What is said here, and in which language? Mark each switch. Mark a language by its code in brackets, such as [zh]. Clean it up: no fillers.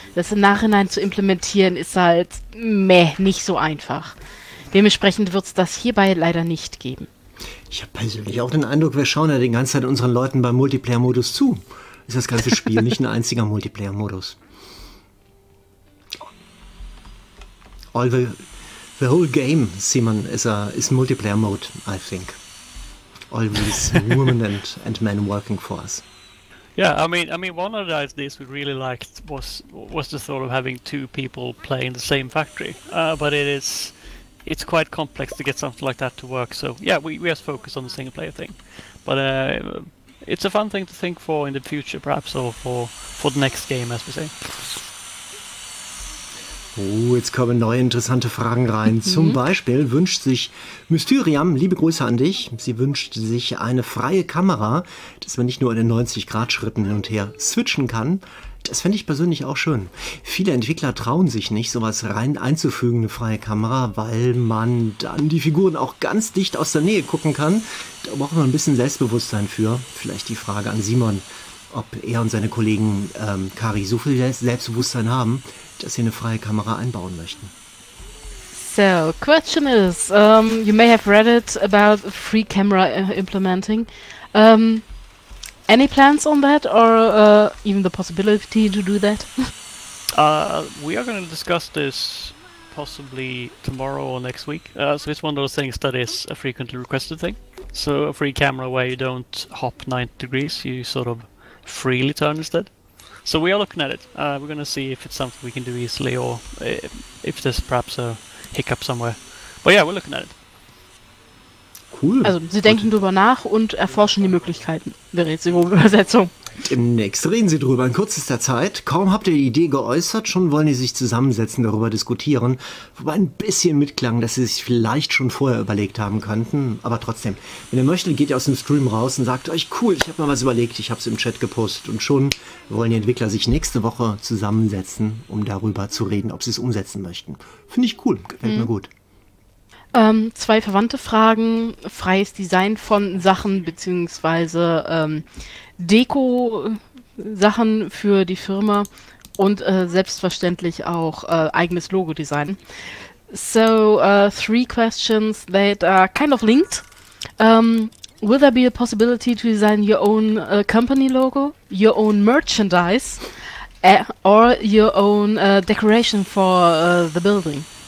[de] Das im Nachhinein zu implementieren ist halt nicht so einfach. Dementsprechend wird es das hierbei leider nicht geben. Ich habe persönlich auch den Eindruck, wir schauen ja die ganze Zeit unseren Leuten beim Multiplayer-Modus zu. Ist das ganze Spiel nicht ein einziger Multiplayer-Modus. [en] The whole game, Simon, is Multiplayer-Mode, I think. All these women and men working for us. Yeah, I mean, one of the ideas we really liked was the thought of having two people play in the same factory. But it's quite complex to get something like that to work. So yeah, we just focus on the single player thing. But it's a fun thing to think for in the future, perhaps, or for the next game, as we say. [de] Oh, jetzt kommen neue interessante Fragen rein. Zum Beispiel wünscht sich Mysterium, liebe Grüße an dich, sie wünscht sich eine freie Kamera, dass man nicht nur in den 90-Grad-Schritten hin und her switchen kann. Das fände ich persönlich auch schön. Viele Entwickler trauen sich nicht, sowas rein einzufügen, eine freie Kamera, weil man dann die Figuren auch ganz dicht aus der Nähe gucken kann. Da braucht man ein bisschen Selbstbewusstsein für. Vielleicht die Frage an Simon, ob er und seine Kollegen Kari so viel Selbstbewusstsein haben, dass sie eine freie Kamera einbauen möchten. [en] So, question is, you may have read it about free camera implementing. Any plans on that or even the possibility to do that? We are going to discuss this possibly tomorrow or next week. So it's one of those things that is a frequently requested thing. So a free camera where you don't hop 90 degrees, you sort of freely turn instead. So we are looking at it. We're going to see if it's something we can do easily or if there's perhaps a hiccup somewhere. But yeah, we're looking at it. Cool. [de] Also sie denken drüber nach und erforschen die Möglichkeiten der Rätselübersetzung. Demnächst reden sie drüber in kürzester Zeit. Kaum habt ihr die Idee geäußert, schon wollen die sich zusammensetzen, darüber diskutieren. Wobei ein bisschen mitklang, dass sie sich vielleicht schon vorher überlegt haben könnten. Aber trotzdem, wenn ihr möchtet, geht ihr aus dem Stream raus und sagt euch, cool, ich habe mir was überlegt, ich habe es im Chat gepostet. Und schon wollen die Entwickler sich nächste Woche zusammensetzen, um darüber zu reden, ob sie es umsetzen möchten. Finde ich cool, gefällt mir gut. Zwei verwandte Fragen. Freies Design von Sachen bzw. Deko-Sachen für die Firma und selbstverständlich auch eigenes Logo-Design. [en] So, three questions that are kind of linked. Will there be a possibility to design your own company logo, your own merchandise or your own decoration for the building?